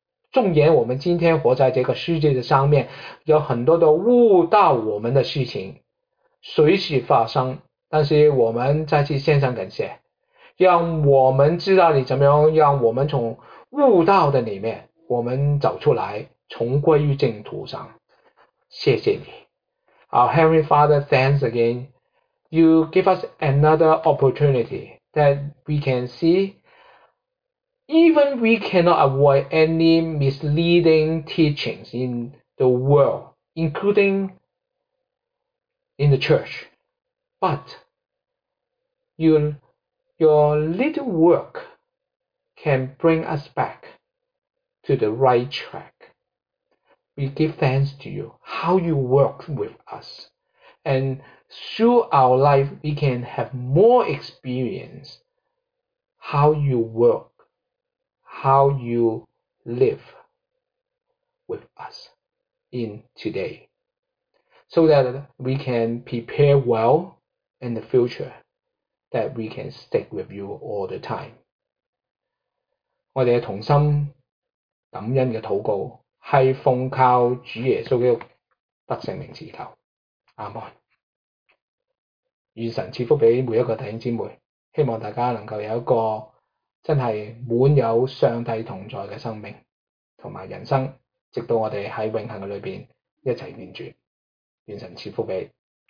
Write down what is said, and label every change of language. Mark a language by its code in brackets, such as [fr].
[zh] 纵然我们今天活在这个世界的上面，有很多的误导我们的事情随时发生，但是我们再次献上感谢，让我们知道你怎么样让我们从悟道的里面我们走出来，重归于正途上。谢谢你。 [en] Our Heavenly Father, thanks again. You give us another opportunity that we can see even we cannot avoid any misleading teachings in the world, including in the church. But your little work can bring us back to the right track. We give thanks to you, how you work with us. And through our life, we can have more experience how you work, how you live with us in today, so that we can prepare well in the future, that we can stick with you all the time. [zh] 我们同心感恩的祷告是奉靠主耶稣基督得圣名祈求，阿们。愿神赐福给每一个弟兄姊妹，希望大家能够有一个真是满有上帝同在的生命和人生，直到我们在永恒的里面一起连住。愿神赐福给你。